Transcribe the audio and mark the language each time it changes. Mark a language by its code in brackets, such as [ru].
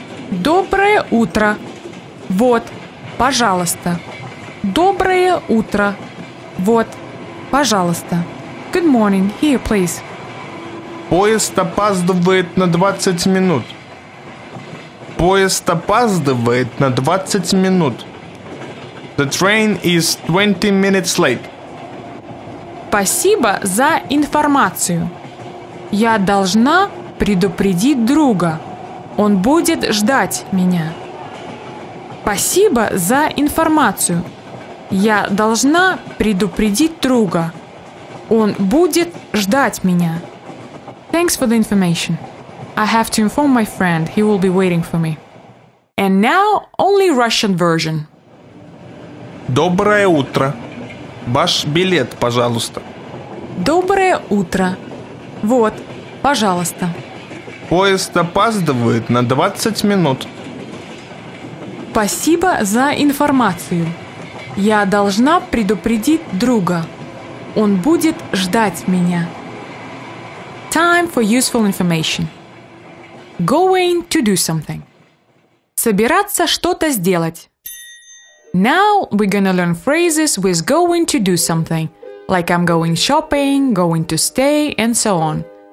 [ru] Доброе утро. Вот, пожалуйста. Доброе утро. Вот, пожалуйста. [en] Good morning. Here, please. [ru] Поезд опаздывает на 20 минут. Поезд опаздывает на 20 минут. [en] The train is 20 minutes late. [ru] Спасибо за информацию. Я должна предупредить друга. Он будет ждать меня. Спасибо за информацию. Я должна предупредить друга. Он будет ждать меня. [en] Thanks for the information. I have to inform my friend. He will be waiting for me. And now only Russian version. [ru] Доброе утро. Ваш билет, пожалуйста. Доброе утро. Вот, пожалуйста. Поезд опаздывает на 20 минут. Спасибо за информацию. Я должна предупредить друга. Он будет ждать меня. [en] Time for useful information. Going to do something. [ru] Собираться что-то сделать. [en] Now we're gonna learn phrases with going to do something, like I'm going shopping, going to stay, and so on.